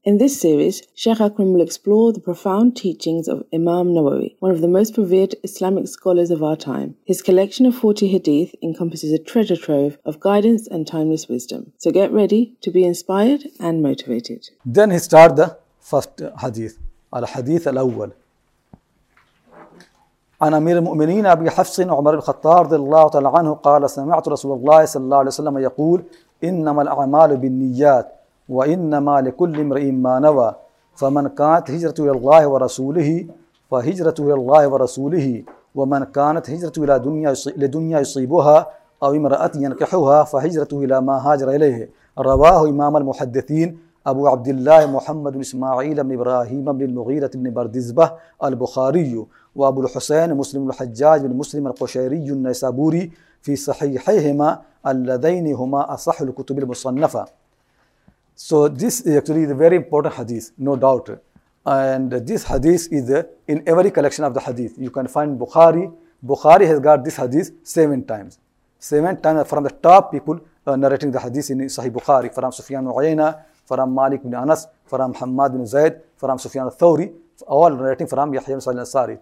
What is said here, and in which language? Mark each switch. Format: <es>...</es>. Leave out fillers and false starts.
<en>In this series, Sheikh Akram will explore the profound teachings of Imam Nawawi, one of the most revered Islamic scholars of our time. His collection of 40 hadith encompasses a treasure trove of guidance and timeless wisdom. So get ready to be inspired and motivated. Then he starts the first hadith,</en> <ar>al-hadith al-awwal. عن أمير المؤمنين أبي حفص عمر الخطاب رضي الله تعالى عنه قال سمعت رسول الله صلى الله عليه وسلم يقول إنما الأعمال بالنيات وإنما لكل امرئ ما نوى فمن كانت هجرته إلى الله ورسوله فهجرته إلى الله ورسوله ومن كانت هجرته إلى دنيا يصيبها أو امرأة ينكحها فهجرته إلى ما هاجر إليه رواه إمام المحدثين أبو عبد الله محمد بن إسماعيل بن إبراهيم بن المغيرة بن بردزبة البخاري وأبو الحسين مسلم الحجاج بن مسلم القشيري النيسابوري في صحيحيهما اللذين هما أصح الكتب المصنفة.</ar> <en>So this is actually the very important hadith, no doubt. And this hadith is in every collection of the hadith. You can find Bukhari. Bukhari has got this hadith seven times. Seven times from the top people narrating the hadith in Sahih Bukhari, from Sufyan Uyayna, from Malik bin Anas, from Hammad bin Zayd, from Sufyan al-Thawri, all narrating from Yahya bin Sa'd al-Ansari.</en>